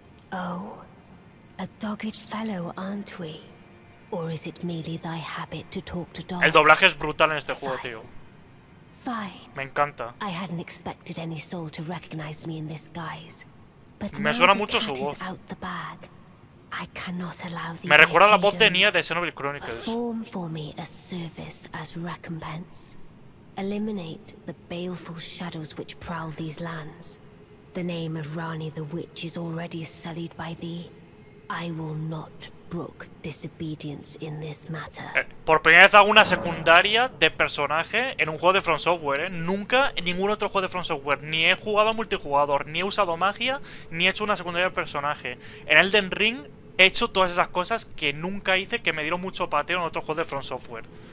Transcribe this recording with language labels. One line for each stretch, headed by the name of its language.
English: Oh, a dogged fellow, aren't we? Or is it merely thy habit to talk to dogs?
Spanish: El doblaje es brutal en este juego, tío.
English: Fine.
Spanish: Me encanta.
English: I hadn't expected any soul to recognize me in this guise, but
Spanish: me suena mucho su voz.
English: Out the bag, I cannot allow the
Spanish: me recuerda la voz de Nia de Xenoblade Chronicles.
English: Perform for me a service as recompense. Eliminate the baleful shadows which prowl these lands. The name of Rani the Witch is already sullied by thee. I will not brook disobedience in this matter.
Spanish: Por primera vez hago una secundaria de personaje en un juego de From Software, ¿eh? Nunca en ningún otro juego de From Software. Ni he jugado a multijugador, ni he usado magia, ni he hecho una secundaria de personaje. En Elden Ring he hecho todas esas cosas que nunca hice, que me dieron mucho pateo en otro juego de From Software.